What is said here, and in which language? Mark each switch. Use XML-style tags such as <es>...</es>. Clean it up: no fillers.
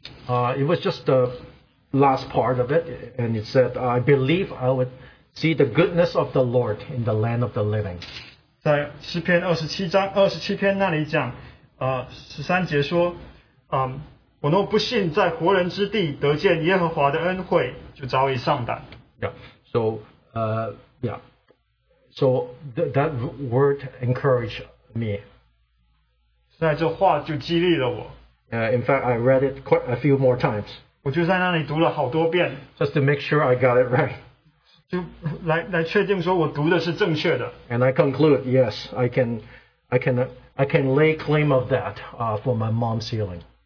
<en>It was just the last part of it, and it said, I believe I would see the goodness of the Lord in the land of the living.</en> <zh>在诗篇二十七篇那里讲，我若不信在活人之地得见耶和华的恩惠，就早已上胆。</zh> <en>So that word encouraged me.</en> <zh>在这话就激励了我。</zh> <en>In fact, I read it quite a few more times.</en> <zh>我就在那里读了好多遍，</zh> <en>just to make sure I got it right.</en> <zh>就来确定说我读的是正确的。</zh> <en>And I conclude, yes, I can lay claim of that for my mom's healing.</en>